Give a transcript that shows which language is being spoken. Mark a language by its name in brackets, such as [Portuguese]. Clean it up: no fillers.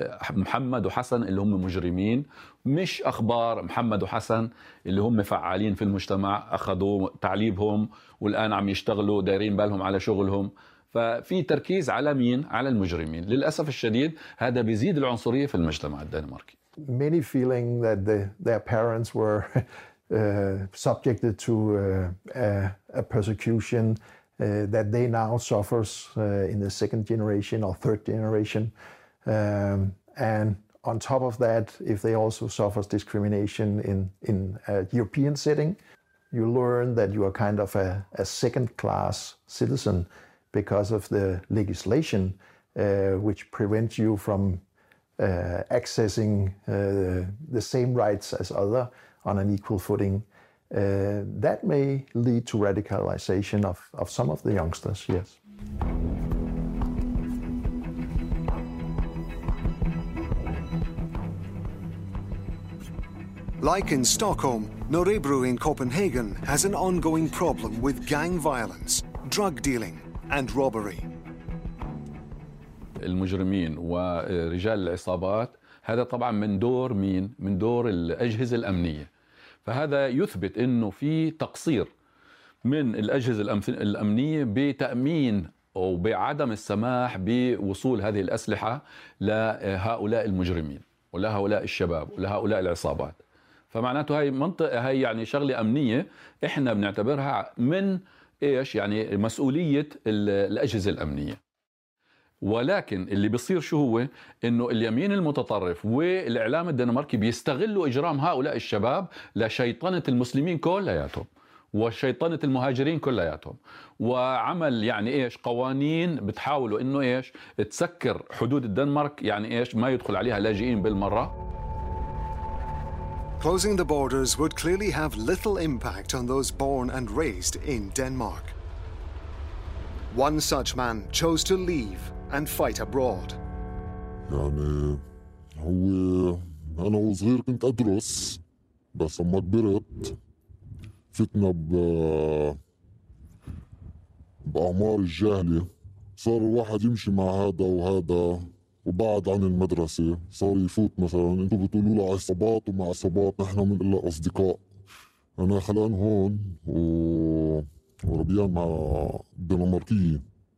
[Arabic] محمد وحسن اللي هم مجرمين مش أخبار محمد وحسن اللي هم فعالين في المجتمع أخذوا تعليبهم والآن عم يشتغلوا دايرين بالهم على شغلهم ففي تركيز على مين على المجرمين للأسف الشديد هذا بيزيد العنصرية في المجتمع الدنماركي. [English] Many feeling that their parents were subjected to a persecution that they now suffers in the second generation or third generation, and on top of that, if they also suffers discrimination in a European setting, you learn that you are kind of a second class citizen. Because of the legislation which prevents you from accessing the same rights as other on an equal footing. That may lead to radicalization of some of the youngsters, yes. Like in Stockholm, Norrebro in Copenhagen has an ongoing problem with gang violence, drug dealing, and robbery. [Arabic] المجرمين ورجال العصابات هذا طبعا من دور مين من دور الأجهزة الأمنية فهذا يثبت إنه في تقصير من الأجهزة الأمنية بتأمين أو بعدم السماح بوصول هذه الأسلحة لهؤلاء المجرمين ولهؤلاء الشباب ولهؤلاء العصابات فمعناته هاي منطقة هاي يعني شغلة أمنية إحنا بنعتبرها من إيش يعني مسؤولية الأجهزة الأمنية ولكن اللي بيصير شو هو إنه اليمين المتطرف والإعلام الدنماركي بيستغلوا إجرام هؤلاء الشباب لشيطنة المسلمين كلياتهم وشيطنة المهاجرين كلياتهم وعمل يعني إيش قوانين بتحاولوا إنه إيش تسكر حدود الدنمارك يعني إيش ما يدخل عليها لاجئين بالمرة [English] Closing the borders would clearly have little impact on those born and raised in Denmark. One such man chose to leave and fight abroad. [Arabic] يعني هو أنا وصغير كنت أدرس بس لما كبرت فتنا بأعمار الجاهلة صار الواحد يمشي مع هذا وهذا وبعد عن المدرسة صار يفوت مثلاً أنتوا بتقولوا له عصابات ومع عصابات نحن من إلا أصدقاء أنا خلان هون وربيان مع الدنماركية